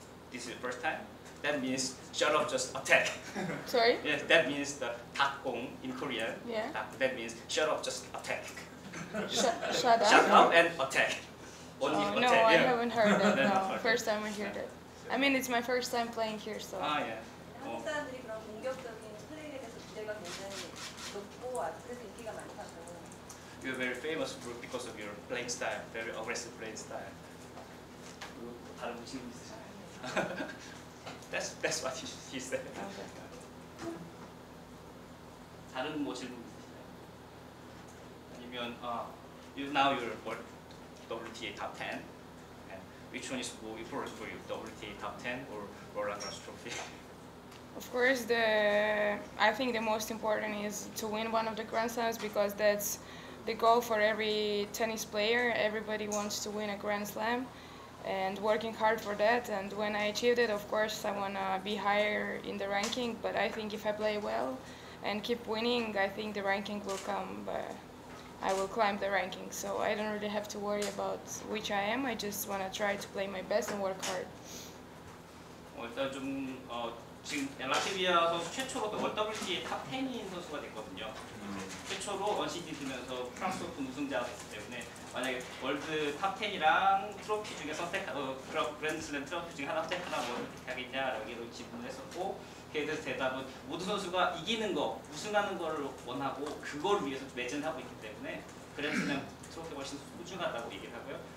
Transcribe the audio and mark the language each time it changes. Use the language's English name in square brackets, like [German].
[English] This is the first time. That means shut up, just attack. Sorry. Yeah, that means the 닭공 in Korean. Yeah. That means shut up, just attack. Shut up. Shut up and attack. Only no, attack. I yeah. haven't heard that. No, first time we heard it. I mean, it's my first time playing here, so. [Korean] 아, 예. 한국 사람들이 그런 공격적인 플레이에 대해서 기대가 굉장히 높고 아직도 인기가 많다고. [English] You're very famous because of your playing style, very aggressive playing style. [Korean] 다른 무슨 일 있으세요? [English] That's what he said. Okay. [Korean] 다른 뭐 질문 있으세요? 아니면 [English] now you're WTA top 10. Which one is more important for you, WTA top 10 or Roland Garros trophy? Of course, I think the most important is to win one of the Grand Slams because that's the goal for every tennis player. Everybody wants to win a Grand Slam and working hard for that. And when I achieved it, of course, I want to be higher in the ranking. But I think if I play well and keep winning, I think the ranking will come. But I will climb the ranking, so I don't really have to worry about which I am. I just want to try to play my best and work hard. [Korean] 일단 좀 지금 라트비아 선수 최초로 WTA 탑 10인 선수가 됐거든요. 최초로 원시디 되면서 프랑스 오픈 우승자가 됐기 때문에 만약에 월드 탑 10이랑 트로피 중에 그랜드슬램 트로피 중에 하나 선택하나 뭐 하겠냐라고 질문을 했었고 그에 대해서 대답은 모든 선수가 이기는 거, 우승하는 거를 원하고 그걸 위해서 매진하고 있기 때문에 그랜드슬램 트로피가 훨씬 소중하다고 얘기를 하고요.